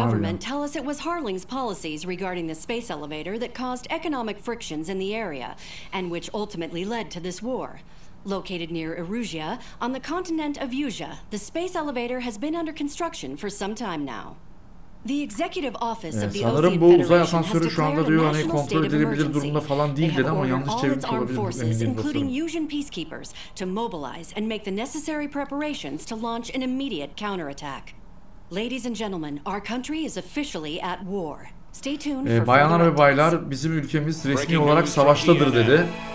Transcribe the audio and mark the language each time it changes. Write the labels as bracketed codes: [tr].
[en] Government tell us it was Harling's policies regarding the space elevator that caused economic frictions in the area, and which ultimately led to this war. Located near Erujia, on the continent of Asia, the space elevator has been under construction for some time now. The executive office of the Ocean Federation. [tr] Sanırım bu uzay asansörü şu anda diyor hani kontrol edilebilir durumda falan değil dedi ama yanlış çevirmiş olabilir. [en] Including Ocean peacekeepers to mobilize and make the necessary preparations to launch an immediate counterattack. Ladies and gentlemen, our country is officially at war. Stay tuned. [tr] Bayanlar ve baylar, bizim ülkemiz resmi olarak savaştadır dedi.